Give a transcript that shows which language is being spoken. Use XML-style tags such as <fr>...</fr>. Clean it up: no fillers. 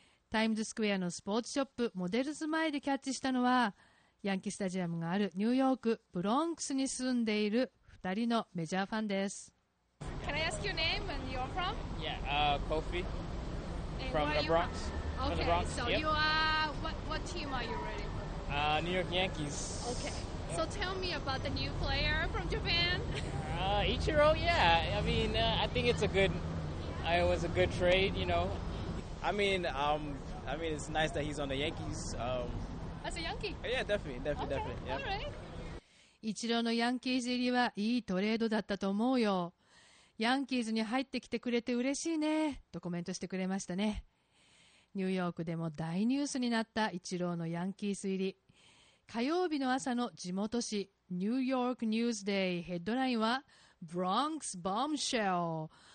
<ja>タイムズスクエアのスポーツショップモデルズ前でキャッチしたのは、ヤンキースタジアムがあるニューヨークブロンクスに住んでいる2人のメジャーファンです。</ja> <en>Can I ask your name and you're from? Yeah, Kofi from the Bronx. From? Okay, from the Bronx. So you are, what team are you ready for? New York Yankees. Okay, so tell me about the new player from Japan. Ichiro, yeah, I mean, I think it's a good, it was a good trade, you know. I mean, it's nice that he's on the Yankees. As a Yankee? Yeah, definitely. Okay, alright.</en> <ja>イチローのヤンキーズ入りはいいトレードだったと思うよ。ヤンキーズに入ってきてくれて嬉しいね、とコメントしてくれましたね。ニューヨークでも大ニュースになったイチローのヤンキーズ入り。火曜日の朝の地元紙、ニューヨークニュースデイヘッドラインは、ブロンクスボムシェル。</ja>